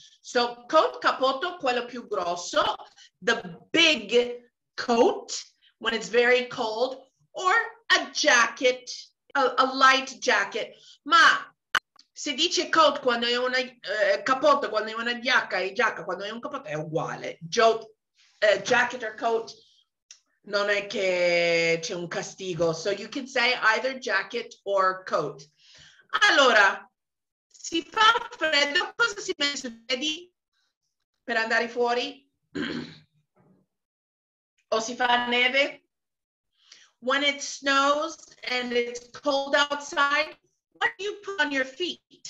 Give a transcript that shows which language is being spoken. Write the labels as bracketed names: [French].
[English] So coat, cappotto, [Italian] quello più grosso, [English] the big coat when it's very cold, or a jacket, a light jacket. [Italian] Ma se dice coat quando è una cappotto, quando è una giacca, e giacca quando è un cappotto, è uguale. Jacket or coat, non è che c'è un castigo. [English] So you can say either jacket or coat. [Italian] Allora, si fa freddo, cosa si mette sui piedi per andare fuori? O si fa neve? [English] When it snows and it's cold outside, what do you put on your feet?